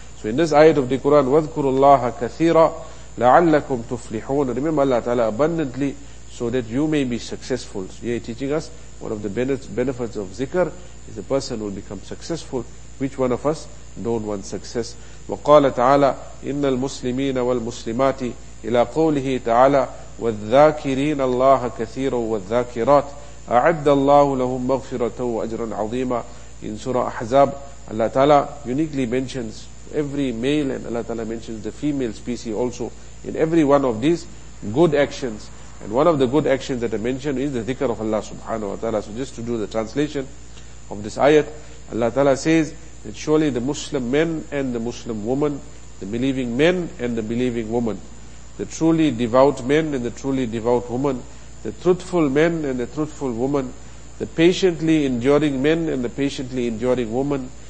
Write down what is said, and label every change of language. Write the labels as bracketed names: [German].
[English] So in this ayat of the Quran, [Arabic] وَذْكُرُ اللَّهَ كَثِيرًا لَعَلَّكُمْ تُفْلِحُونَ. [English] Remember Allah ta'ala abundantly so that you may be successful. So here he's teaching us one of the benefits of zikr is a person will become successful. Which one of us don't want success? [Arabic] وقال تعالى إن المسلمين والمسلمات إلى قوله تعالى والذاكرين الله كثيرا والذاكرات أعد الله لهم مغفرة وأجرا عظيما. [English] In Surah Ahzab, Allah Ta'ala uniquely mentions every male, and Allah Ta'ala mentions the female species also in every one of these good actions. And one of the good actions that are mentioned is the dhikr of Allah subhanahu wa ta'ala. So just to do the translation of this ayat, Allah Ta'ala says that surely the Muslim men and the Muslim woman, the believing men and the believing woman, the truly devout men and the truly devout woman, the truthful men and the truthful woman, the patiently enduring men and the patiently enduring woman,